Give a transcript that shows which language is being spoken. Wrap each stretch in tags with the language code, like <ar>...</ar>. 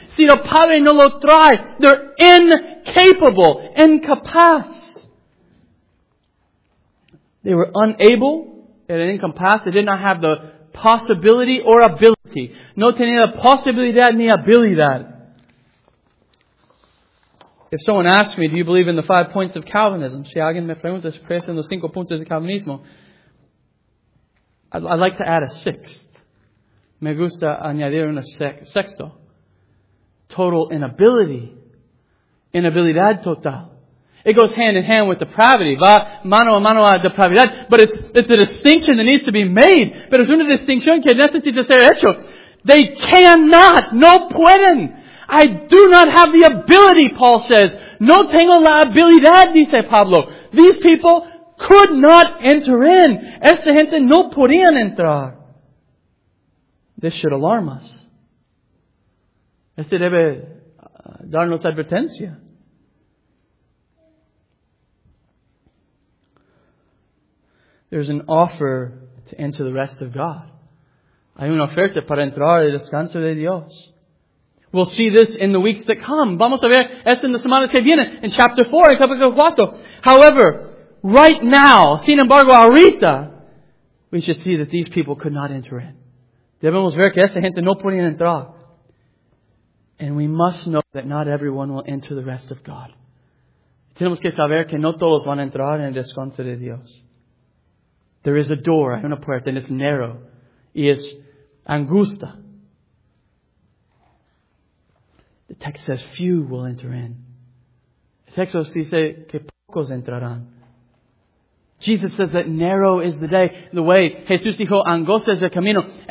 <es>Si el Padre no lo trae,</es> <en>they're incapable,</en> <es>incapaz.</es> <en>They were unable and incapaz. They did not have the possibility or ability.</en> <es>No tenía posibilidad ni habilidad.</es> <en>If someone asks me, do you believe in the 5 points of Calvinism? Si alguien me pregunta, ¿crees en los 5 puntos de Calvinismo? I'd like to add a sixth.</en> <es>Me gusta añadir un sexto.</es> <en>Total inability.</en> <es>Inabilidad total.</es> <en>It goes hand in hand with depravity.</en> <es>Va mano a mano a depravidad.</es> <en>But it's a distinction that needs to be made. Pero es una distinción que necesita ser hecho. They cannot. No pueden. I do not have the ability, Paul says.</en> <es>No tengo la habilidad, dice Pablo.</es> <en>These people could not enter in.</en> <es>Esta gente no podían entrar.</es> <en>This should alarm us.</en> <es>Este debe darnos advertencia.</es> <en>There's an offer to enter the rest of God.</en> <es>Hay una oferta para entrar al descanso de Dios.</es> <en>We'll see this in the weeks that come.</en> <es>Vamos a ver esto en la semana que viene,</es> <en>in chapter 4,</en> <es>en capítulo 4.</es> <en>However, right now,</en> <es>sin embargo, ahorita,</es> <en>we should see that these people could not enter in.</en> <es>Debemos ver que esta gente no podía entrar.</es> <en>And we must know that not everyone will enter the rest of God.</en> <es>Tenemos que saber que no todos van a entrar en el descanso de Dios.</es> <en>There is a door,</en> <es>hay una puerta,</es> <en>and it's narrow.</en> <es>Y es angusta.</es> <en>The text says few will enter in.</en> <es>El texto dice que pocos entrarán.</es> <en>Jesus says that narrow is the day, the way.</en> <es>Jesús dijo, angosta es el camino.</es>